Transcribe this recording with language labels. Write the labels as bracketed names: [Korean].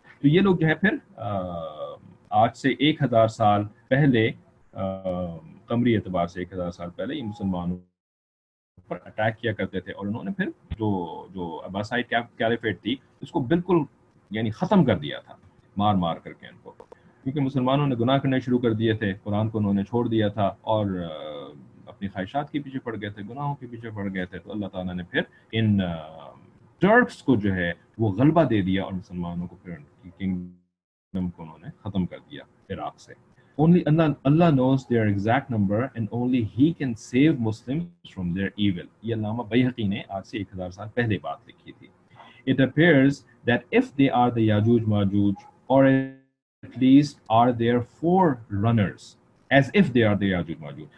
[Urdu] تو یہ لوگ جو ہے پھر آج سے 1000 سال پہلے، قمری اعتبار سے 1000 سال پہلے، یہ مسلمانوں پر اٹیک کیا کرتے تھے، اور انہوں نے پھر جو عباسائی کیلیفیٹ تھی اس کو بالکل یعنی ختم کر دیا تھا مار مار کر کے ان کو، کیونکہ مسلمانوں نے گناہ کرنے شروع کر دیے تھے، قرآن کو انہوں نے چھوڑ دیا تھا اور اپنی خواہشات کے پیچھے پڑ گئے تھے، گناہوں کے پیچھے پڑ گئے تھے. تو اللہ تعالیٰ نے پھر ان ٹرکس کو جو ہے وہ غلبہ دے دیا اور مسلمانوں کو پھر ان کی کنگڈم کو انہوں نے ختم کر دیا عراق سے. [English] Only Allah knows their exact number and only He can save Muslims from their evil. [Urdu] یہ علامہ بیہقی نے آج سے 1000 سال پہلے بات لکھی تھی. [English] It appears that if they are the Yajuj Majuj or at least are their forerunners, as if they are the Yajuj Majuj.